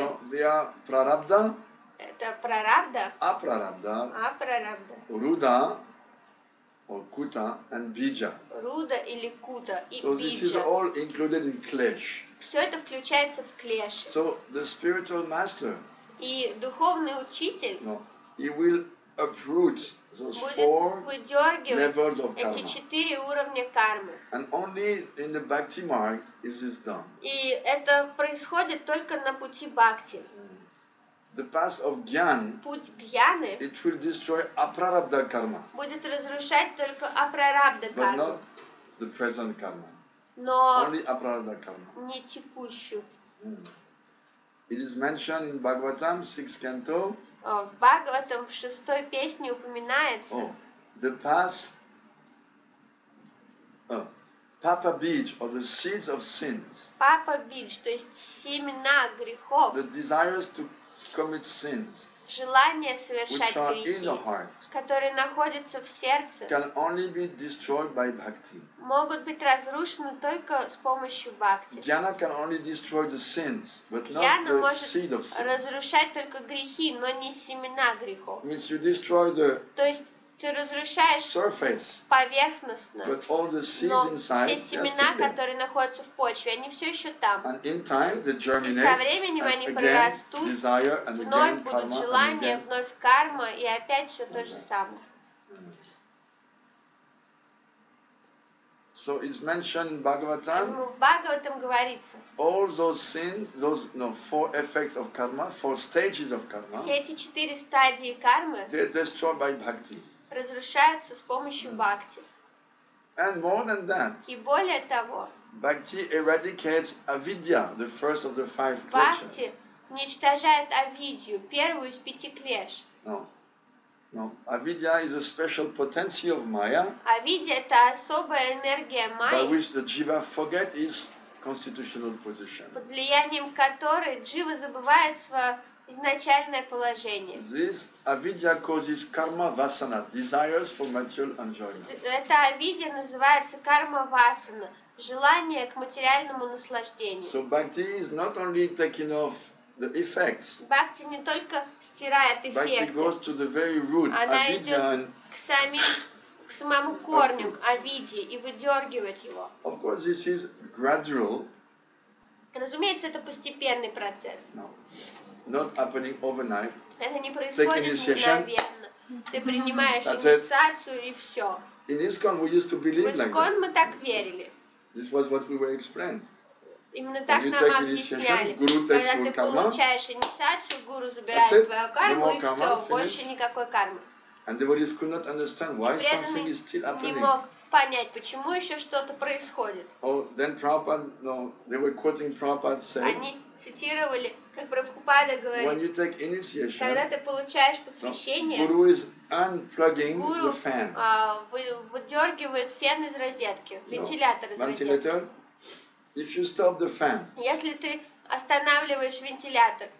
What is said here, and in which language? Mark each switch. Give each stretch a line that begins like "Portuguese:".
English: Now they are прарабда.
Russian: Это прарабда. Апрарабда. Апрарабда.
English: Руда. Or kuta and bija.
Russian: Руда или кута и
English: so
Russian: биджа.
English: So this is all included in клеш.
Russian: Все это включается в клеш.
English: So the spiritual master.
Russian: И духовный учитель.
English: No, he will uproot those four levels of karma.
Russian: Эти четыре уровня кармы.
English: And only in the bhakti mark is this done.
Russian: И это происходит только на пути бхакти.
English: The path of jnana,
Russian: путь гьяны,
English: it will destroy апрарабда карма,
Russian: будет разрушать только апрарабда карму,
English: but not the present karma,
Russian: но
English: only апрарабда карма,
Russian: не текущую.
English: It is mentioned in Bhagavatam, sixth canto.
Russian: В Бхагаватам в шестой песне упоминается.
English: The path, Papa Bij, or the seeds of sins.
Russian: Papa Bij, то есть семена грехов.
English: The desires to commit sins,
Russian: желание совершать грехи,
English: in the heart,
Russian: которые находятся в сердце,
English: can only be destroyed by bhakti.
Russian: Могут быть разрушены только с помощью бхакти.
English: Jnana can only destroy the sins, but not the seed of sins.
Russian: Разрушать только грехи, но не семена грехов.
English: Means you destroy the
Russian: то есть ты разрушаешь
English: surface,
Russian: поверхностно,
English: but all the seeds
Russian: но
English: inside
Russian: все семена, которые находятся в почве, они все еще там.
English: And in time, they germinate.
Russian: Со временем они прорастут, вновь будут желания, вновь карма, и опять все то же самое.
English: So it's mentioned in Bhagavatam.
Russian: В Бхагаватам говорится.
English: All those sins, those no four effects of karma, four stages of karma.
Russian: Все эти четыре стадии кармы.
English: They're destroyed by bhakti.
Russian: Разрушаются с помощью бхакти.
English: And more than that.
Russian: И более того.
English: Bhakti eradicates avidya, the first of the five kleshas.
Russian: Бхакти уничтожает авидью, первую из пяти клеш.
English: No, avidya is a special potency of Maya.
Russian: Авидья это особая энергия Майи.
English: By which the jiva forget his constitutional position.
Russian: Под влиянием которой джива забывает свое изначальное положение.
English: This avidya causes karma vasana, desires for material enjoyment.
Russian: Эта авидья называется карма васана, желание к материальному наслаждению.
English: So bhakti is not only taking off the effects.
Russian: Бхакти не только стирает эффекты.
English: Bhakti goes to the very root,
Russian: она идет к самим самому корню, авиде, и выдергивать его.
English: Of course, this is gradual.
Russian: Разумеется, это постепенный процесс.
English: No. Not happening overnight.
Russian: Это не происходит мгновенно. Ты принимаешь инициацию и все.
English: In ISKCON we used to believe like that.
Russian: Мы так верили.
English: This was what we were explained.
Russian: Именно так нам объясняли. Когда ты получаешь инициацию, гуру забирает твою карму и все, больше никакой кармы.
English: And devotees could not understand why something is still happening.
Russian: Не мог понять, почему еще что-то происходит.
English: Oh, then Prabhupada, no, they were quoting Prabhupada saying.
Russian: Они цитировали, как Прабхупада говорит.
English: When you take initiation,
Russian: когда ты получаешь посвящение,
English: guru is unplugging guru, the fan.
Russian: Выдергивает фен из розетки, вентилятор из розетки.
English: Ventilator. If you stop the fan.
Russian: Если ты останавливаешь вентилятор.